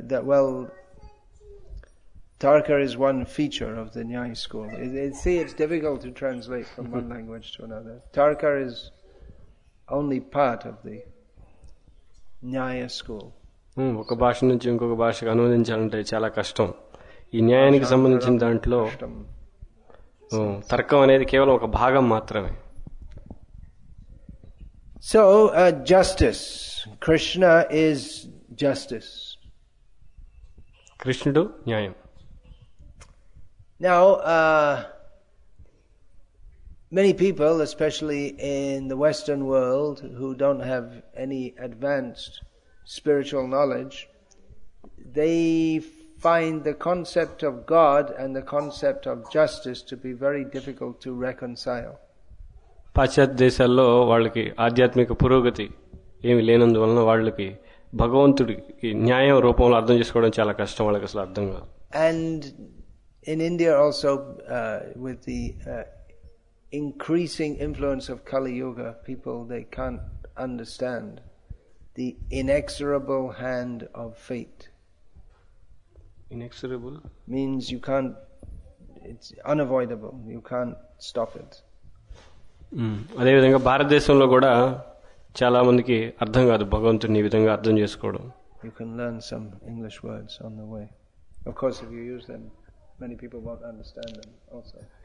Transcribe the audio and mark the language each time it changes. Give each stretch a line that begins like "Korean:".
English: Well, tarka is one feature of the Nyaya school. It's difficult to translate from one language to another. Tarka is only part of the Nyaya school.
Telugu: ఒక భాష నుంచి ఇంకొక భాషకు అనువదించాలంటే చాలా కష్టం. ఈ న్యాయానికి సంబంధించిన దాంట్లో తర్కం అనేది కేవలం ఒక భాగం మాత్రమే.
English: So justice, Krishna is justice.
Telugu: కృష్ణుడు న్యాయం.
English: Now many people especially in the western world who don't have any advanced spiritual knowledge they find the concept of God and the concept of justice to be very difficult to reconcile.
Telugu: పాశ్చాత్య దేశాల్లో వాళ్ళకి ఆధ్యాత్మిక పురోగతి ఏమి లేనందువలన వాళ్ళకి భగవంతుడికి న్యాయం రూపంలో అర్థం చేసుకోవడం చాలా కష్టం. వాళ్ళకి అసలు అర్థం కాదు.
English: And in India also with the increasing influence of Kali Yuga, people, they can't understand the inexorable hand of fate. Inexorable means you can't, it's unavoidable, you can't stop it.
Telugu: అదే విధంగా భారతదేశంలో కూడా చాలా మందికి అర్థం కాదు భగవంతుని ఈ విధంగా అర్థం చేసుకోవడం.
English: You can learn some English words on the way. Of course, if you use them, many people won't understand them also.